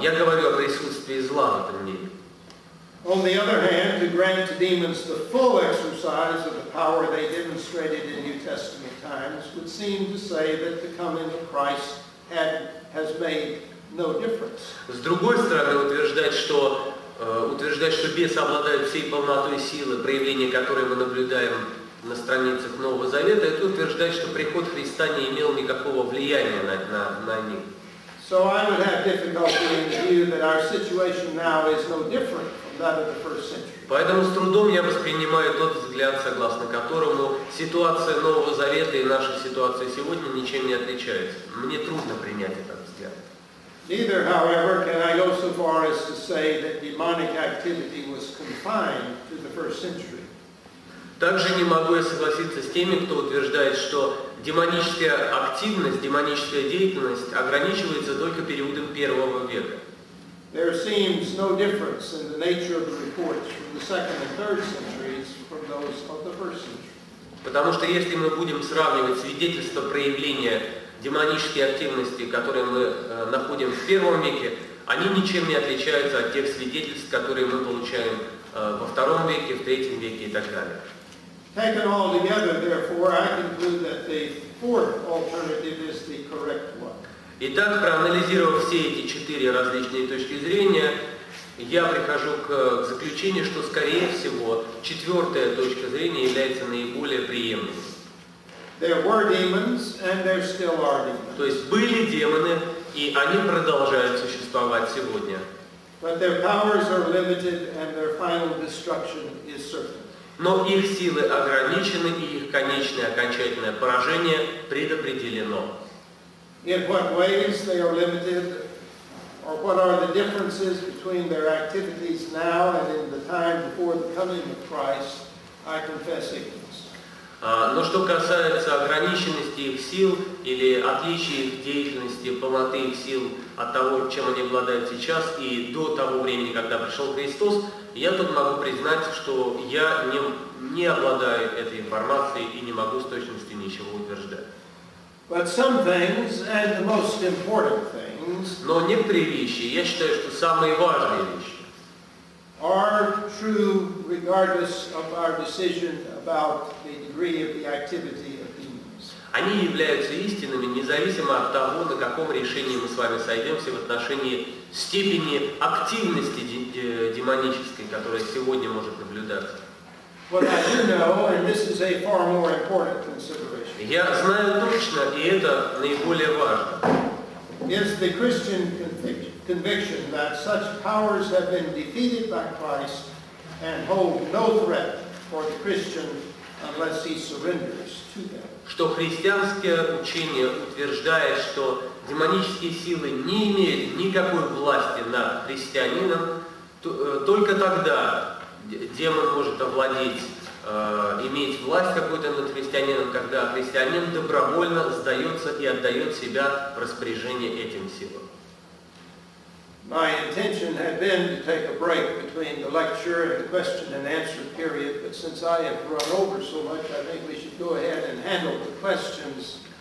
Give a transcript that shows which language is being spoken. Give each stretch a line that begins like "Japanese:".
Russian: Я говорю о присутствии зла в этом мире.
English: On the other hand, to grant to demons the full exercise of the power they demonstrated in New Testament times would seem to say that the coming of Christ has made no difference.
Russian: С другой стороны, утверждать, что бесы обладают всей полнотой силы, проявление которой мы наблюдаем на страницах Нового Завета, это утверждать, что приход Христа не имел никакого влияния на них.
English: So I would have difficulty in the view that our situation now is no different from that of the first century.
Russian: Поэтому с трудом я воспринимаю тот взгляд, согласно которому ситуация Нового Завета и наша ситуация сегодня ничем не отличаются. Мне трудно принять этот взгляд.
English: Neither, however, can I go so far as to say that demonic activity was confined to the first century.
Russian: Также не могу я согласиться с теми, кто утверждает, что демоническая активность, демоническая деятельность ограничивается только периодом первого века.
English: There seems no difference in the nature of the reports from the second and third centuries from those of the first century.
Russian: Потому что если мы будем сравнивать свидетельства проявления демонической активности, которые мы находим в первом веке, они ничем не отличаются от тех свидетельств, которые мы получаем во втором веке, в третьем веке и так далее.
English: Taken all together, therefore, I conclude that the fourth alternative is the correct one.
Russian: Итак, проанализировав все эти четыре различные точки зрения, я прихожу к заключению, что, скорее всего, четвертая точка зрения является наиболее приемлемой.
English: There were demons, and there still are demons.
Russian: То есть были демоны, и они продолжают существовать сегодня.
English: But their powers are limited, and their final destruction is certain.
Russian: Но их силы ограничены, и их конечное окончательное поражение предопределено.
English: In what ways they are limited, or what are the differences between their activities now and in the time before the coming of Christ, I confess ignorance.
Russian: Но что касается ограниченности их сил или отличия их деятельности, полноты их сил от того, чем они обладают сейчас и до того времени, когда пришел Христос, я тут могу признать, что я не обладаю этой информацией и не могу с точностью ничего утверждать.
English: But some things, and the most important things,
Russian: но некоторые вещи, я считаю, что самые важные вещи,
English: are true regardless of our decision about the degree of the activity of demons.
Russian: Они являются истинными независимо от того, на каком решении мы с вами сойдемся в отношении степени активности демонической, которая сегодня может наблюдаться.
English: What I do know, and this is a far more important consideration.
Russian: Я знаю точно, и это наиболее важно.
English: Is the Christian conviction that such powers have been defeated by Christ and hold no threat for the Christian unless he surrenders to them.
Russian: Что христианское учение утверждает, что демонические силы не имеют никакой власти над христианином, только тогда демон может иметь власть какую-то над христианином, когда христианин добровольно сдается и отдает себя в распоряжение этим силам.
English: My intention had been to take a break between the lecture and the question and answer period, but since I have run over so much, I think we should go ahead and handle the questions.